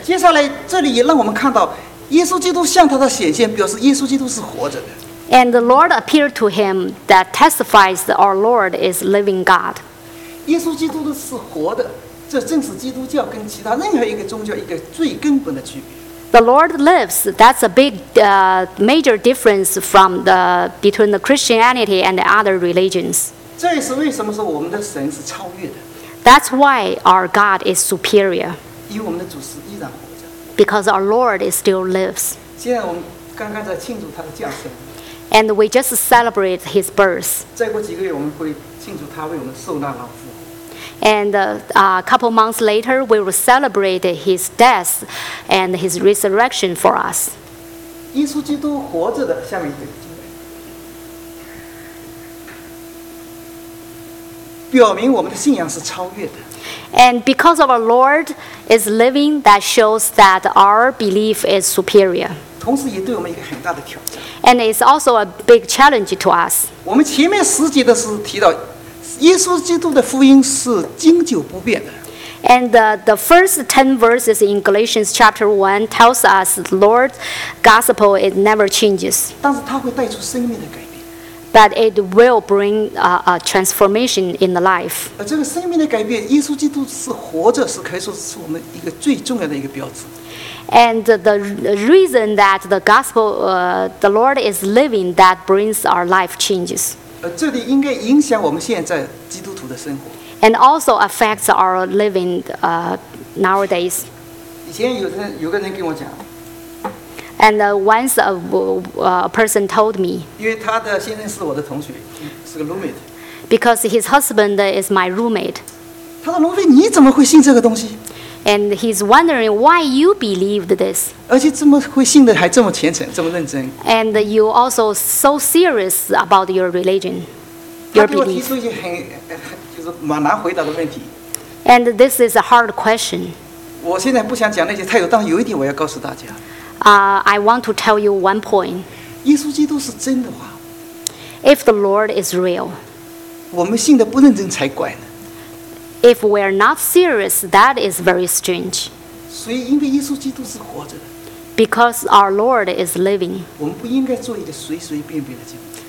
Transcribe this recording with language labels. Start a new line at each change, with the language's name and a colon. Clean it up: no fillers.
Chinese: 接下来这里也让我们看到耶稣基督向他的显现表示耶稣基督是活着的。
English: And the Lord appeared to him that testifies that our Lord is living God.
Chinese: 耶稣基督的是活的，这正是基督教跟其他任何一个宗教一个最根本的区别。
English: The Lord lives. That's a big, major difference from between the Christianity and the other religions.
Chinese: 这也是为什么说我们的神是超越的。
English: That's why our God is superior.
Chinese: 因为我们的主是依然活着。
English: Because our Lord is still lives.
Chinese: 现在我们刚刚在庆祝他的降生。
English: And we just celebrate his birth.
Chinese: 再过几个月，我们会庆祝他为我们受难而复活。
English: And a couple months later, we will celebrate his death and his resurrection for us.
Chinese: 耶稣基督活着的下面一个表明我们的信仰是超越的。
English: And because of our Lord is living, that shows that our belief is superior.
Chinese: 同时也对我们一个很大的挑战。
English: And it's also a big challenge to us.
Chinese: 我们前面十节的是提到，耶稣基督的福音是经久不变的。
English: And the first 10 verses in Galatians chapter 1 tells us Lord's gospel it never changes.
Chinese: 但是它会带出生命的改变。
English: But it will bring a transformation in the life.
Chinese: 这个生命的改变，耶稣基督是活着，是可以说是我们一个最重要的一个标志。
English: And the reason that the gospel, the Lord is living, that brings our life changes.
Chinese: 这里应该影响我们现在基督徒的生活。
English: And also affects our living nowadays.
Chinese: 以前有个人跟我讲。
English: And once a person told me.
Chinese: 因为他的先生是我的同学，是个 roommate.
English: Because his husband is my roommate.
Chinese: 他说：“罗非，你怎么会信这个东西？”
English: And he's wondering why you believed this.
Chinese: 而且这么会信的还这么虔诚，这么认真。
English: And you also so serious about your religion, your belief.
Chinese: 他给我提出一些很就是蛮难回答的问题。
English: And this is a hard question.
Chinese: 我现在不想讲那些太多，但有一点我要告诉大家。
English: I want to tell you one point.
Chinese: 耶稣基督是真的话。
English: If the Lord is real.
Chinese: 我们信的不认真才怪呢。
English: If we are not serious, that is very strange.
Chinese: 所以因为耶稣基督是活着的。
English: Because our Lord is living.
Chinese: 我们不应该做一个随随便便的基督徒。